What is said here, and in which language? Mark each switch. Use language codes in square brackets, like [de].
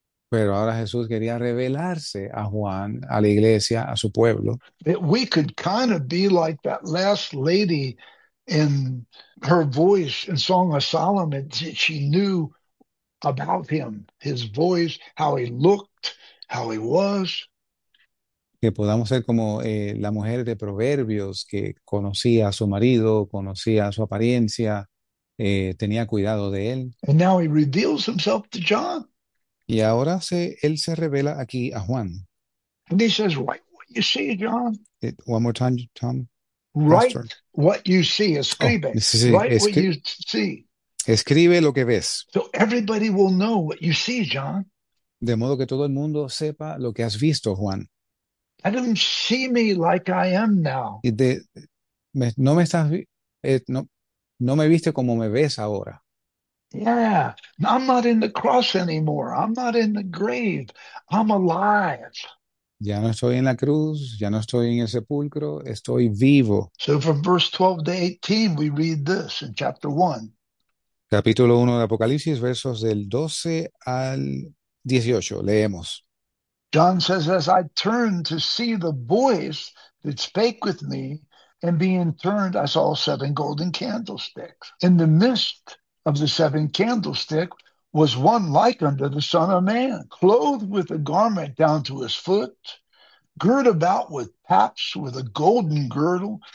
[es] Jesús quería revelarse a Juan, a la iglesia, a su pueblo. [en] That we could kind of be like that last lady in her voice in Song of Solomon. She knew about him, his voice, how he looked, how he was. [es] Que podamos ser como la mujer de Proverbios que conocía a su marido, conocía su apariencia, tenía cuidado de él. [en] And now he reveals himself to John. [es] Y ahora él se revela aquí a Juan. [en] And he says, "Write what you see, John. One more time, Tom, Pastor. Write what you see, Oh, [es] escribe. sí, [en] Write what you see. [es] escribe lo que ves. [en] So everybody will know what you see, John. [es] De modo que todo el mundo sepa lo que has visto, Juan. [en] Let them see me like I am now." [es] No me estás, no me viste como me ves ahora. [en] Yeah, I'm not in the cross anymore. I'm not in the grave. I'm alive. [es] Ya no estoy en la cruz, ya no estoy en el sepulcro, estoy vivo. [en] So from verse 12 to 18, we read this in chapter 1. [es] Capítulo 1 de Apocalipsis, versos del 12 al 18. Leemos. [en] John says, "As I turned to see the voice that spake with me, and being turned, I saw seven golden candlesticks. In the midst of the seven candlestick was one like unto the Son of Man, clothed with a garment down to his foot, girt about with paps with a golden girdle.